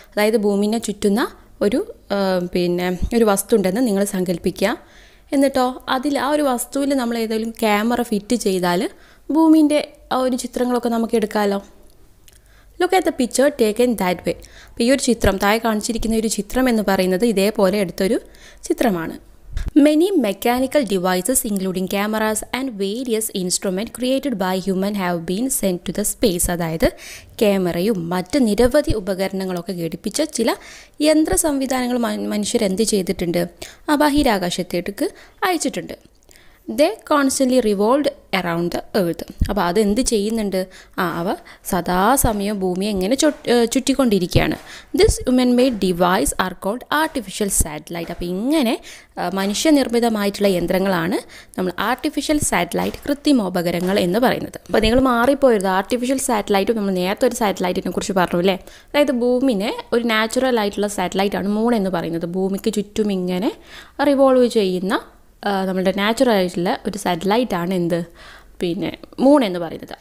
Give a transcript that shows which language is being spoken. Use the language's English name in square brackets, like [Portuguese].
[Malayalam] അതായത് ഭൂമിനെ ചുറ്റുന്ന ഒരു ഒരു വസ്തു ഉണ്ടെന്ന് നിങ്ങൾ സങ്കല്പിക്കുക. എന്നിട്ടോ അതിൽ ആ ഒരു വസ്തുവിൽ നമ്മൾ ഏതെങ്കിലും ക്യാമറ ഫിറ്റ് ചെയ്താൽ ഭൂമിൻ്റെ ആ ഒരു ചിത്രങ്ങളൊക്കെ നമുക്ക് എടുക്കാമല്ലോ. [English] Look at the picture taken that way. [Malayalam] അപ്പോൾ ഈ ഒരു ചിത്രം, താഴെ കാണിച്ചിരിക്കുന്ന ഒരു ചിത്രം എന്ന് പറയുന്നത് ഇതേപോലെ എടുത്തൊരു ചിത്രമാണ്. [English] Many mechanical devices including cameras and various instruments created by human have been sent to the space. [Malayalam] അതായത് ക്യാമറയും മറ്റ് നിരവധി ഉപകരണങ്ങളൊക്കെ ഘടിപ്പിച്ച ചില യന്ത്ര സംവിധാനങ്ങൾ മനുഷ്യരെന്ത് ചെയ്തിട്ടുണ്ട്, ആ ബാഹിരാകാശത്തേക്ക് അയച്ചിട്ടുണ്ട്. [English] They constantly revolved around the earth. [Malayalam] അപ്പോൾ അതെന്ത് ചെയ്യുന്നുണ്ട്? ആ അവ സദാസമയം ഭൂമി എങ്ങനെ ചുറ്റിക്കൊണ്ടിരിക്കുകയാണ്. [English] This human-made device are called artificial satellite. [Malayalam] അപ്പോൾ ഇങ്ങനെ മനുഷ്യനിർമ്മിതമായിട്ടുള്ള യന്ത്രങ്ങളാണ് നമ്മൾ ആർട്ടിഫിഷ്യൽ സാറ്റലൈറ്റ്, കൃത്രിമോപകരണങ്ങൾ എന്ന് പറയുന്നത്. അപ്പോൾ നിങ്ങൾ മാറിപ്പോയത്, ആർട്ടിഫിഷ്യൽ സാറ്റലൈറ്റ് നമ്മൾ നേരത്തെ ഒരു സാറ്റലൈറ്റിനെ കുറിച്ച് പറഞ്ഞു, അല്ലേ. അതായത് ഭൂമിനെ ഒരു നാച്ചുറൽ ആയിട്ടുള്ള സാറ്റലൈറ്റാണ് മൂൺ എന്ന് പറയുന്നത്. ഭൂമിക്ക് ചുറ്റും ഇങ്ങനെ റിവോൾവ് ചെയ്യുന്ന നമ്മളുടെ നാച്ചുറലായിട്ടുള്ള ഒരു സാറ്റലൈറ്റാണ് എന്ത്, മൂൺ എന്ന് പറയുന്നത്.